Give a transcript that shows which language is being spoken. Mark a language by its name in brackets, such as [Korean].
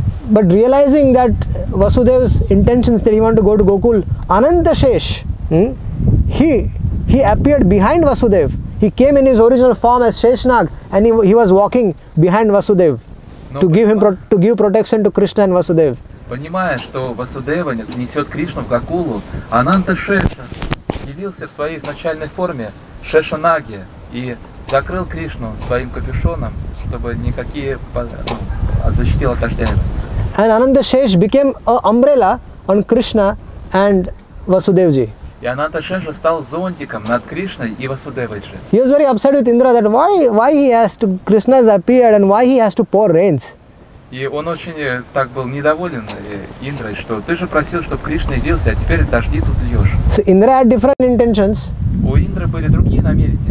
[English] But realizing that Vasudev's intentions that he wanted to go to Gokul, Anantashesh, he appeared behind Vasudev. He came in his original form as Sheshnag and he was walking behind Vasudev to give protection to Krishna and Vasudev. [Russian] Понимая, что Васудева несет Кришну в Гокулу, Ананташеш явился в своей изначальной форме Шешанаги и закрыл Кришну своим капюшоном, чтобы никакие защитил от дождя. [English] And Anantashesh became an umbrella on Krishna and Vasudevji. [Russian] И Ананташеш стал зонтиком над Кришной и Васудевой. [English] He was very upset with Indra that why he has to, Krishna has appeared and why he has to pour rains. [Russian] И он очень так был недоволен Индрой, что ты же просил, чтобы Кришна явился, а теперь дожди тут льешь. [English] So Indra had different intentions. [Russian] У Индры были другие намерения.